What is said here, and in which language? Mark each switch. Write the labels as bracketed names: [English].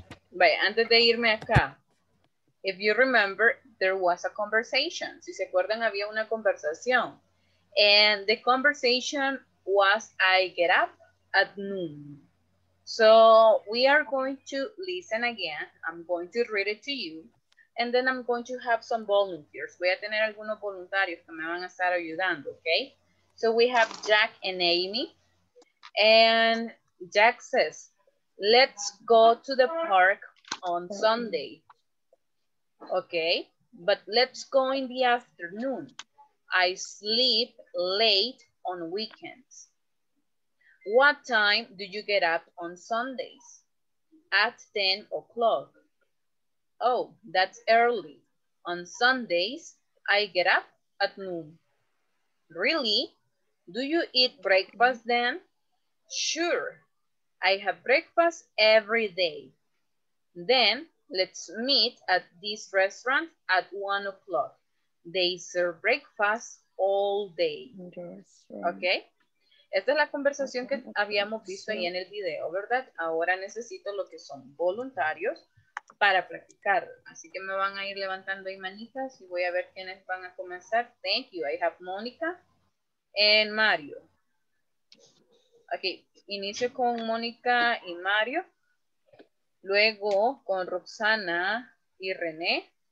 [Spanish] Vaya, antes de irme acá, [English] if you remember, there was a conversation. [Spanish] Si se acuerdan, había una conversación. [English] And the conversation was, I get up at noon. So we are going to listen again. I'm going to read it to you. And then I'm going to have some volunteers. [Spanish] Voy a tener algunos voluntarios que me van a estar ayudando, [English] ok? So we have Jack and Amy. And Jack says, let's go to the park on Sunday. Okay, but let's go in the afternoon. I sleep late on weekends. What time do you get up on Sundays? At 10 o'clock. Oh, that's early. On Sundays, I get up at noon. Really? Do you eat breakfast then? Sure, I have breakfast every day. Then let's meet at this restaurant at 1 o'clock. They serve breakfast all day. Okay. [Spanish] Esta es la conversación que habíamos visto ahí en el video, ¿verdad? Ahora necesito lo que son voluntarios para practicar. Así que me van a ir levantando ahí manitas y voy a ver quiénes van a comenzar. [English] Thank you. I have Monica and Mario. [Spanish] Ok, inicio con Mónica y Mario, luego con Roxana y René.